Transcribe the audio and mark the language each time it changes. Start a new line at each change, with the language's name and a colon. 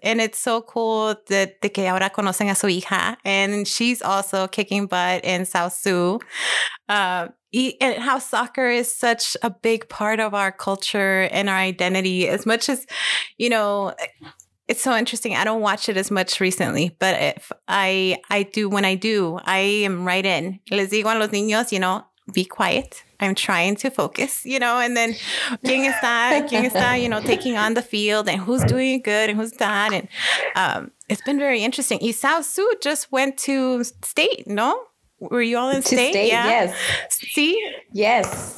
English: And it's so cool that
Spanish: de que ahora conocen a su hija,
English: and she's also kicking butt in South Sioux. And how soccer is such a big part of our culture and our identity, as much as, you know, it's so interesting. I don't watch it as much recently, but if I do, when I do, I am right in.
Spanish: Les digo a los niños,
English: you know, be quiet. I'm trying to focus, you know, and then
Spanish: quien está,
English: you know, taking on the field and who's doing good and who's not. And it's been very interesting. Y South Sioux just went to state, no? Were you all in state? Yes. See? Yes.